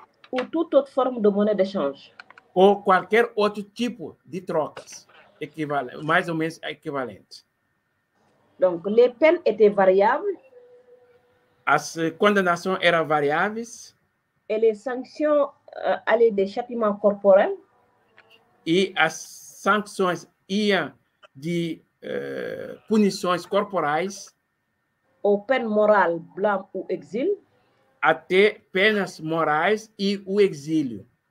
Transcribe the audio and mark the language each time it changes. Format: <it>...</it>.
<fr>Ou toute autre forme de monnaie d'échange.</fr> <pt>Ou qualquer outro tipo de trocas, equivalente, mais ou menos equivalente.</pt> <fr>Donc, les peines étaient variables.</fr> <pt>As condenações eram variáveis.</pt> <fr>Et les sanctions allaient d'échappement corporel.</fr> <pt>E as sanções iam de punições corporais.</pt> <fr>Ou peine morale, blâme ou exil.</fr> <pt>Até penas morais e o exílio.</pt>